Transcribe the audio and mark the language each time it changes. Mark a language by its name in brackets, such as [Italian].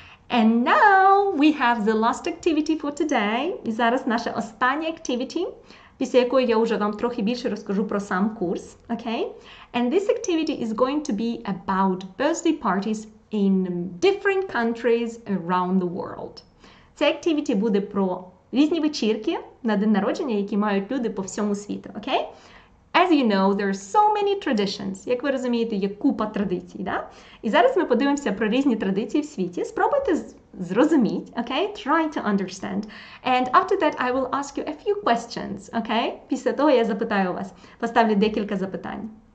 [English] And now we have the last activity for today. [Ukrainian] І зараз наша остання activity, після якої я вже вам трохи більше розкажу про сам курс. [English] Okay? And this activity is going to be about birthday parties in different countries around the world. [Ukrainian] Ця activity буде про різні вечірки на день народження, які мають люди по всьому світу. [English] Okay? As you know, there are so many traditions. [Ukrainian] Як ви розумієте, є купа традицій, да? І зараз ми подивимося про різні традиції в світі. Спробуйте зрозуміти, okay? [English] Try to understand. And after that, I will ask you a few questions, okay? [Ukrainian] Після того я запитаю вас, поставлю декілька запитань.